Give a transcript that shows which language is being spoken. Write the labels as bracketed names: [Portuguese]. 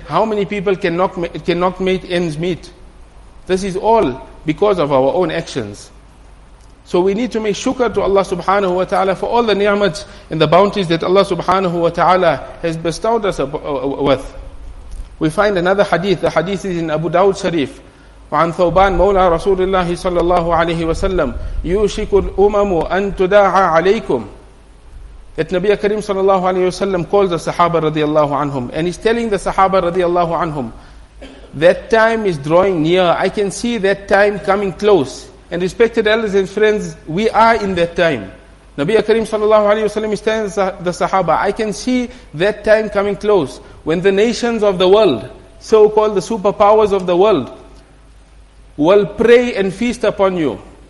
[English] How many people cannot make ends meet? This is all because of our own actions. So we need to make shukr to Allah subhanahu wa ta'ala for all the ni'mat and the bounties that Allah subhanahu wa ta'ala has bestowed us with. We find another hadith. The hadith is in Abu Dawud Sharif. [Arabic] وعن ثوبان مولى رسول الله صلى الله عليه وسلم يوشك الأمم أن تداعى عليكم. [English] That Nabi Karim [Arabic] صلى الله عليه وسلم [English] calls the Sahaba [Arabic] رضي الله عنهم, [English] and he's telling the Sahaba رضي الله عنهم, that time is drawing near. I can see that time coming close. And respected elders and friends, we are in that time. Nabi Karim [Arabic] صلى الله عليه وسلم [English] is telling the Sahaba, I can see that time coming close when the nations of the world, so-called the superpowers of the world, will pray and feast upon you.